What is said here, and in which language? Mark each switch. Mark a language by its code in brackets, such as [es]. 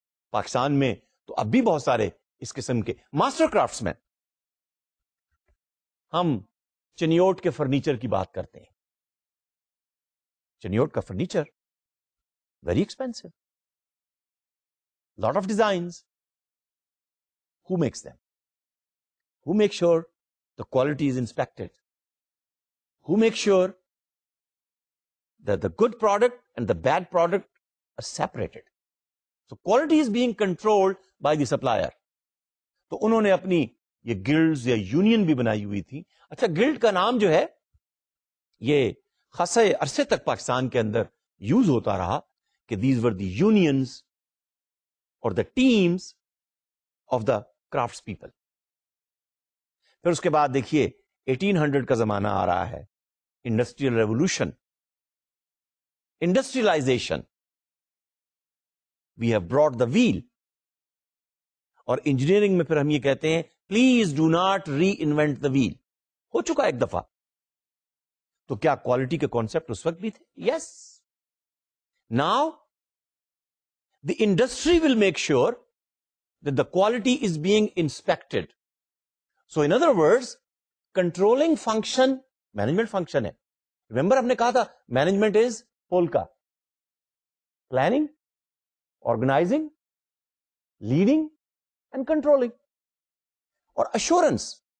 [ur] پاکستان میں تو اب بھی بہت سارے اس قسم کے ماسٹر کرافٹس مین. ہم چنیوٹ کے فرنیچر کی بات کرتے ہیں. چنیوٹ کا furniture [en] Very expensive, lot of designs. Who makes them? Who make sure the quality is inspected? Who make sure the good product and the bad product are separated? So quality is being controlled by the supplier. [ur] تو انہوں نے اپنی یہ Guilds یا union بھی بنائی ہوئی تھی. اچھا, گلڈ کا نام جو ہے یہ خاصے عرصے تک پاکستان کے اندر یوز ہوتا رہا, کہ [en] These were the unions اور the teams of the crafts people. [ur] پھر اس کے بعد دیکھیے 1800 کا زمانہ آ رہا ہے, industrial revolution, industrialisation. [en] We have brought the wheel. [ur] اور انجینئرنگ میں پھر ہم یہ کہتے ہیں, [en] Please do not reinvent the wheel. [ur] ہو چکا ایک دفعہ. تو کیا کوالٹی کے کانسیپٹ اس وقت بھی تھے؟ [en] Yes. Now the industry will make sure that the quality is being inspected. So in other words, controlling function management function ہے. Remember [ur] ہم نے کہا تھا [en] Management is POLC, planning, organizing, leading and controlling اور assurance.